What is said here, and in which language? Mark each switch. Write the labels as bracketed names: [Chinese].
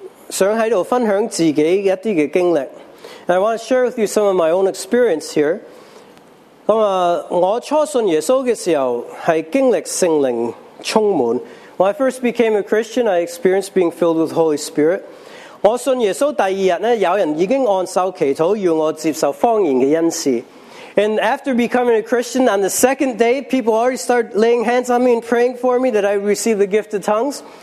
[Chinese] 想在这分享自己一些的经历. [English] I want to share with you some of my own experience here. [Chinese] 我初信耶稣的时候是经历圣灵充满. [English] When I first became a Christian, I experienced being filled with the Holy Spirit. [Chinese] 我信耶稣第二天,有人已经按手祈祷,要我接受方言的恩赐. [English] And after becoming a Christian, on the second day, people already started laying hands on me and praying for me that I receive the gift of tongues.